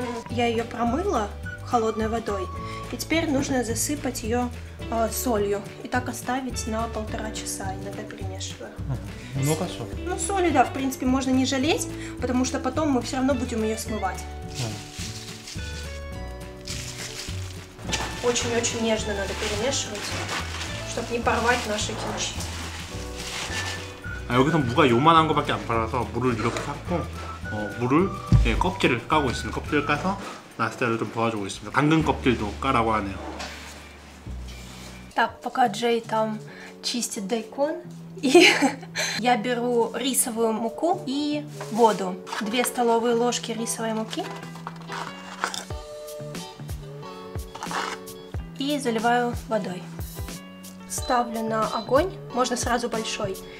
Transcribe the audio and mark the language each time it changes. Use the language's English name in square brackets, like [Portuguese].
[Russian] Я ее промыла холодной водой, и теперь нужно засыпать ее солью и так оставить на полтора часа, иногда перемешивая. Много соли? Ну, соли, да, в принципе, можно не жалеть, потому что потом мы все равно будем ее смывать. Очень-очень нежно надо перемешивать, чтобы не порвать наши кимчи. [Korean] А 여기서 무가 요만한 거밖에 안 팔아서 물을 이렇게 샀고 물을 예, 껍질을 까고 있습니다. 껍질 까서 나스테를 좀 도와주고 있습니다. 당근 껍질도 까라고 하네요. [Russian] Так, пока Джей там чистит дайкон, я беру рисовую муку и воду. 2 столовые ложки рисовой муки. И заливаю водой. Ставлю на огонь, можно сразу большой.